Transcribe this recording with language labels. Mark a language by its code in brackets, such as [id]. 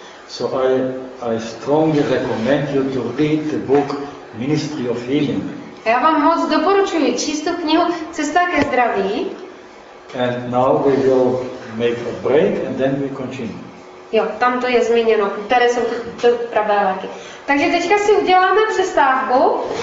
[en] So I strongly recommend you to read the book Ministry of Healing. [cs] Já vám moc doporučuji číst tu knihu Cesta ke zdraví. [en] And now we will make a break and then we continue. [cs] Jo, tam to je zmíněno, které jsou ty pravé léky. Takže teďka si uděláme přestávku.